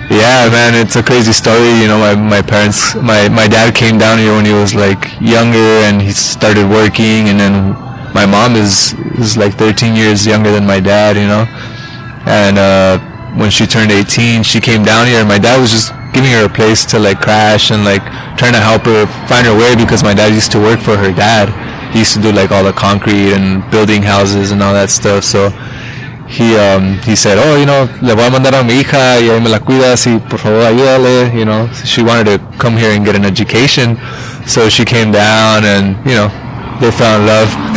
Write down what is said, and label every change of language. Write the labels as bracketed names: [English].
[English] Yeah, man, it's a crazy story. You know, my parents, my dad came down here when he was like younger, and he started working, and then my mom is like 13 years younger than my dad, you know. And when she turned 18, she came down here, and my dad was just giving her a place to like crash and like trying to help her find her way, because my dad used to work for her dad. he used to do like all the concrete and building houses and all that stuff. So he said, oh, you know, [Spanish] le voy a mandar a mi hija y ahí me la cuidas y por favor ayúdale, [English] you know. So she wanted to come here and get an education, so she came down and, you know, they fell in love.